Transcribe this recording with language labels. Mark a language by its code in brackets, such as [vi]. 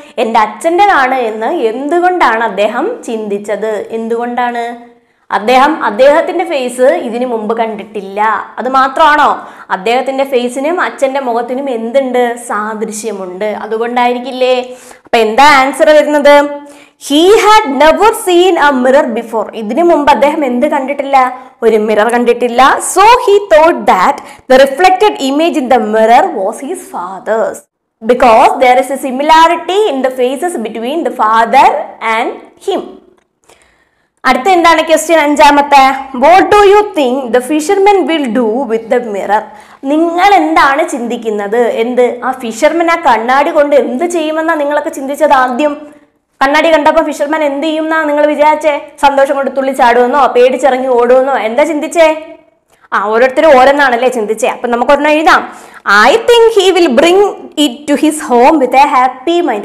[ml] എൻ്റെ അച്ഛൻ്റെതാണ് എന്ന് എന്തുകൊണ്ടാണ് അദ്ദേഹം ചിന്തിച്ചത്? എന്തുകൊണ്ടാണ് അദ്ദേഹത്തിന്റെ ഫേസ് ഇതിനു മുമ്പ് കണ്ടിട്ടില്ല? അത് മാത്രമാണോ? അദ്ദേഹത്തിന്റെ ഫേസിനും അച്ഛന്റെ മുഖത്തിനും എന്തുണ്ട്? സാദൃശ്യമുണ്ട്. അതുകൊണ്ടായിരിക്കില്ലേ? അപ്പൊ എന്താ ആൻസർ വരുന്നത്? [en] He had never seen a mirror before. [ml] ഇതിനു മുമ്പ് അദ്ദേഹം എന്ത് കണ്ടിട്ടില്ല? ഒരു മിറർ കണ്ടിട്ടില്ല. [en] So he thought that the reflected image in the mirror was his father's. Because there is a similarity in the faces between the father and him. [ml] അടുത്ത എന്താണ് question അഞ്ചാമത്തെ? [en] What do you think the fisherman will do with the mirror? [ml] നിങ്ങൾ എന്താണ് ചിന്തിക്കുന്നത്? എന്ത് ആ ഫിഷർമൻ ആ കണ്ണാടി കൊണ്ട് എന്ത് ചെയ്യുമെന്നാ നിങ്ങളൊക്കെ ചിന്തിച്ചത് ആദ്യം? കണ്ണാടി കണ്ടപ്പോൾ ഫിഷർമൻ എന്ത് ചെയ്യും എന്നാ നിങ്ങൾ വിചാരിച്ചേ? സന്തോഷം കൊണ്ട് തുള്ളിച്ചാടുമെന്നോ പേടിച്ചിറങ്ങി ഓടുമെന്നോ എന്താ ചിന്തിച്ചേ? ആ ഓരോരുത്തരും ഓരോന്നാണല്ലേ ചിന്തിച്ചേ. അപ്പൊ നമുക്ക് ഒരെണ്ണം എഴുതാം. [en] I think he will bring it to his home with a happy mind.